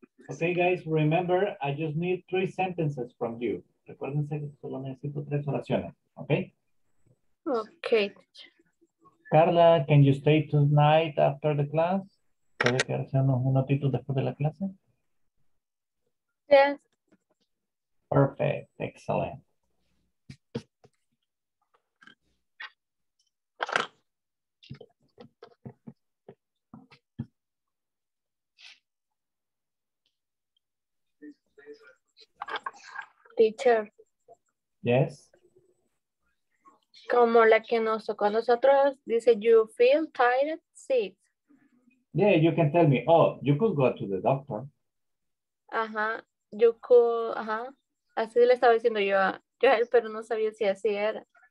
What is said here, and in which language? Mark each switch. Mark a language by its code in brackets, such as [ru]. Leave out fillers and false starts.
[en] Okay, guys, remember, I just need 3 sentences from you. [es] Recuérdense que solo necesito 3 oraciones, okay? [en] Okay. Carla, can you stay tonight after the class? [es] ¿Puede quedarse unos minutitos después de la clase? [en] Yes. Perfect, excellent. Teacher. Yes. [es] Como la que nos tocó a nosotros, dice, [en] you feel tired, sick. Yeah, you can tell me, oh, you could go to the doctor. Ajá, you could, ajá. [es] Así le estaba diciendo yo a Joel, pero no sabía si así era.